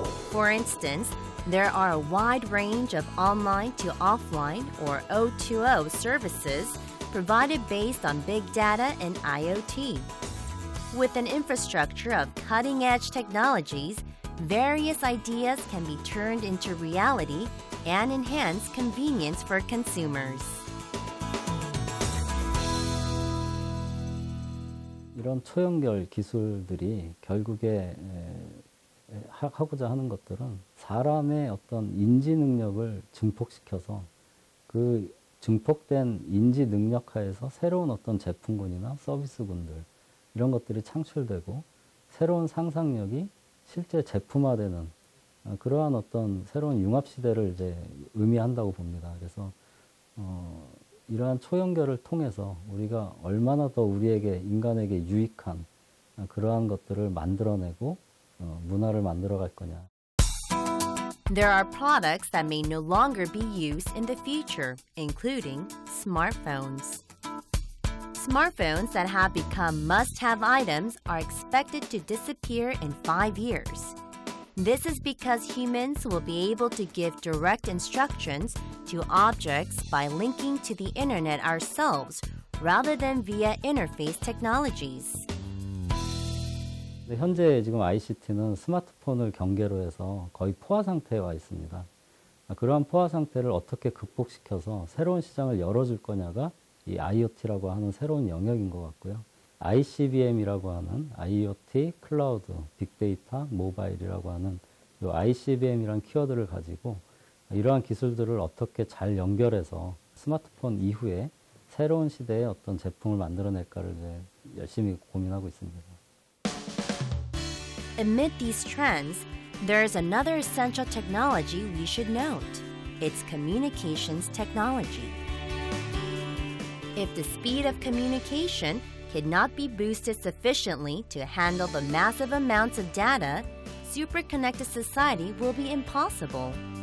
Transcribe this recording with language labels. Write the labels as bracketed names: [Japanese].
[English] For instance, there are a wide range of online to offline or O2O services provided based on big data and IoT. With an infrastructure of cutting-edge technologies, various ideas can be turned into reality and enhance convenience for consumers. [Korean] 이런 초연결 기술들이 결국에 하고자 하는 것들은 사람의 어떤 인지 능력을 증폭시켜서 그 증폭된 인지 능력 하에서 새로운 어떤 제품군이나 서비스군들 이런 것들이 창출되고 새로운 상상력이 실제 제품화되는 그러한 어떤 새로운 융합시대를 이제 의미한다고 봅니다. 그래서 이러한 초연결을 통해서 우리가 얼마나 더 우리에게 인간에게 유익한 그러한 것들을 만들어내고 문화를 만들어갈 거냐. [English] There are products that may no longer be used in the future, including smartphones. Smartphones that have become must-have items are expected to disappear in 5 years. This is because humans will be able to give direct instructions to objects by linking to the internet ourselves rather than via interface technologies. [Korean] 현재 지금 ICT는 스마트폰을 경계로 해서 거의 포화 상태에 와 있습니다. 그러한 포화 상태를 어떻게 극복시켜서 새로운 시장을 열어줄 거냐가 이 IoT라고 하는 새로운 영역인 것 같고요. ICBM이라고 하는 IoT, 클라우드, 빅데이터, 모바일이라고 하는 이 ICBM이라는 키워드를 가지고 이러한 기술들을 어떻게 잘 연결해서 스마트폰 이후에 새로운 시대의 어떤 제품을 만들어낼까를 이제 열심히 고민하고 있습니다. [English] Amid these trends, there is another essential technology we should note. It's communications technology. If the speed of communication cannot be boosted sufficiently to handle the massive amounts of data, super-connected society will be impossible.